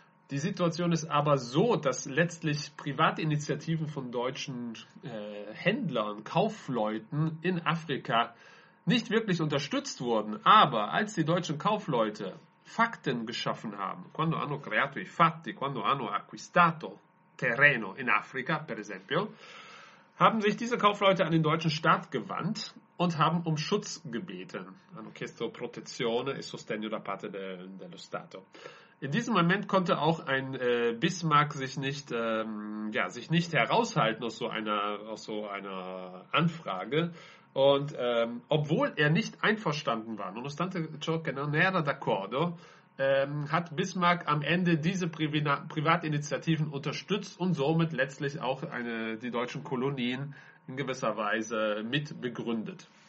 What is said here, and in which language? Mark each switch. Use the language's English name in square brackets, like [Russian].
[German] Die Situation ist aber so, dass letztlich Privatinitiativen von deutschen Händlern, Kaufleuten in Afrika nicht wirklich unterstützt wurden, aber als die deutschen Kaufleute Fakten geschaffen haben, [Italian] quando hanno creato i fatti, quando hanno acquistato terreno in Africa, per esempio, [German] haben sich diese Kaufleute an den deutschen Staat gewandt und haben um Schutz gebeten. [Italian] Hanno chiesto protezione e sostegno da parte dello Stato. [German] In diesem Moment konnte auch ein Bismarck sich nicht heraushalten aus so einer Anfrage. Und obwohl er nicht einverstanden war, [Italian] nonostante ciò che non era d'accordo, [German] hat Bismarck am Ende diese Privatinitiativen unterstützt und somit letztlich auch die deutschen Kolonien in gewisser Weise mit begründet.